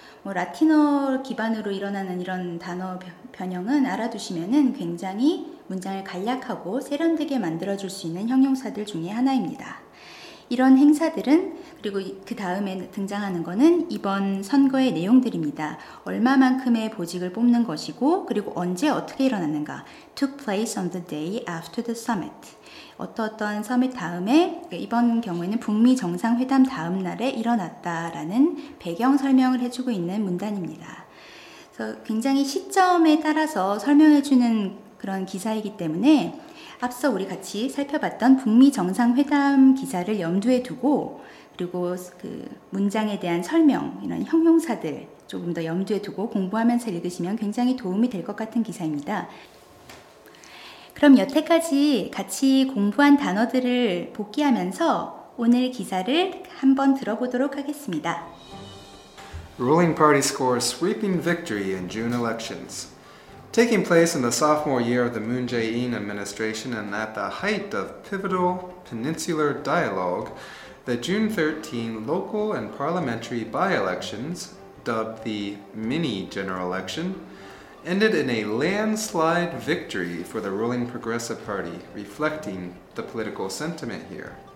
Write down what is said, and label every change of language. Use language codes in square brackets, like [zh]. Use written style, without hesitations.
[ko] 뭐 라틴어 기반으로 일어나는 이런 단어 변형은 알아두시면은 굉장히 문장을 간략하고 세련되게 만들어줄 수 있는 형용사들 중에 하나입니다. 이런 행사들은 그리고 그 다음에 등장하는 거는 이번 선거의 내용들입니다. 얼마만큼의 보직을 뽑는 것이고 그리고 언제 어떻게 일어났는가. [en] took place on the day after the summit. [ko] 어떠어떠한 summit 다음에 이번 경우에는 북미 정상회담 다음 날에 일어났다라는 배경 설명을 해주고 있는 문단입니다. 그래서 굉장히 시점에 따라서 설명해주는 그런 기사이기 때문에 앞서 우리 같이 살펴봤던 북미 정상회담 기사를 염두에 두고 그리고 그 문장에 대한 설명, 이런 형용사들 조금 더 염두에 두고 공부하면서 읽으시면 굉장히 도움이 될 것 같은 기사입니다. 그럼 여태까지 같이 공부한 단어들을 복기하면서 오늘 기사를 한번 들어보도록 하겠습니다. [en] Ruling party scores sweeping victory in June elections. Taking place in the sophomore year of the Moon Jae-in administration and at the height of pivotal peninsular dialogue, The June 13 local and parliamentary by-elections, dubbed the mini-general election, ended in a landslide victory for the ruling Progressive Party, reflecting the political sentiment here.